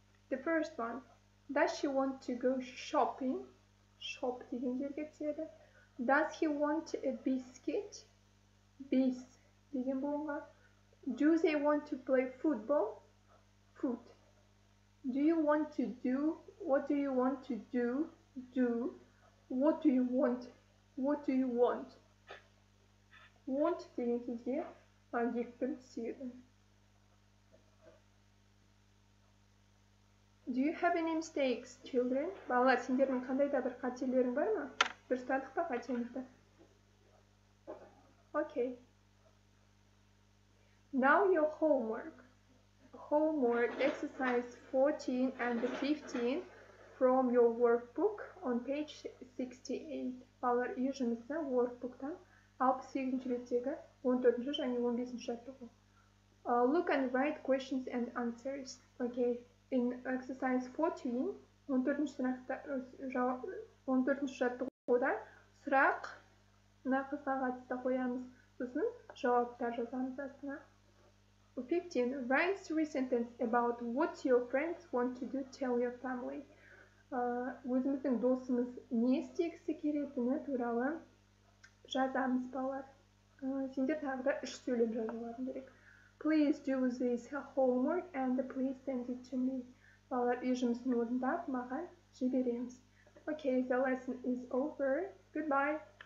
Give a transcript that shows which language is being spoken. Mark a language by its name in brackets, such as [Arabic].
[English] The first one. Does she want to go shopping? [Kazakh] Shop деген жерге түседі. [English] Does he want a biscuit? [Kazakh] Бис деген болуға. [English] Do they want to play football? Foot. Do you want to do? What do you want to do? Do. What do you want? What do you want? [Kazakh] Want деген жерге екпін түседі. [English] Do you have any mistakes, children? [Kazakh] Балалар, сендердің қандай да бір қателерің бар ма? Дұрыстадық па қатемізді? [English] Okay. Now your homework. Homework exercise 14 and 15 from your workbook on page 68. [Kazakh] Балалар, үй жұмысы workbook-тан 68-ші беттегі 14-ші және 15-ші жаттығу. [English] Look and write questions and answers. Okay. In exercise 14, [Kazakh] 14-ші жаттығуда сұрақ нақызға қатысты қоямыз. Сосын жауаптар жазамыз астына. [English] 15. Write three sentences about what your friends want to do, tell your family. [Kazakh] Өзіміздің досымыз не істегісі келетіні туралы жазамыз балар. Сендер тағы да үш сөйлем жазуларын керек. [English] Please do this homework and please send it to me. [Kazakh] Балалар, үй жұмысын орындап, маған жібереміз. [English] Okay, the lesson is over. Goodbye.